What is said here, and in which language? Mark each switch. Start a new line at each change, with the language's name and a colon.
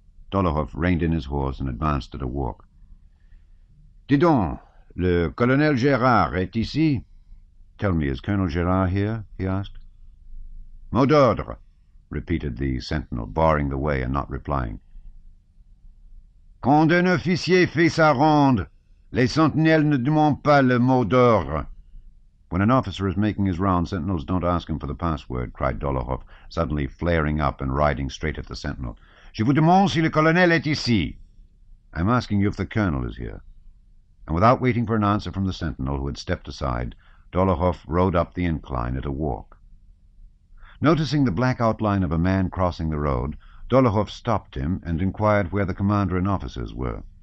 English: Dolohov reined in his horse and advanced at a walk.
French: Dis donc, le colonel Gérard est ici?
English: Tell me, is Colonel Gérard here? He asked.
French: Mot d'ordre,
English: repeated the sentinel, barring the way and not replying.
French: Quand un officier fait sa ronde, les sentinelles ne demandent pas le mot d'ordre.
English: When an officer is making his round, sentinels don't ask him for the password, cried Dolohov, suddenly flaring up and riding straight at the sentinel.
French: Je vous demande si le colonel est ici.
English: I'm asking you if the colonel is here. And without waiting for an answer from the sentinel who had stepped aside, Dolohov rode up the incline at a walk. Noticing the black outline of a man crossing the road, Dolohov stopped him and inquired where the commander and officers were.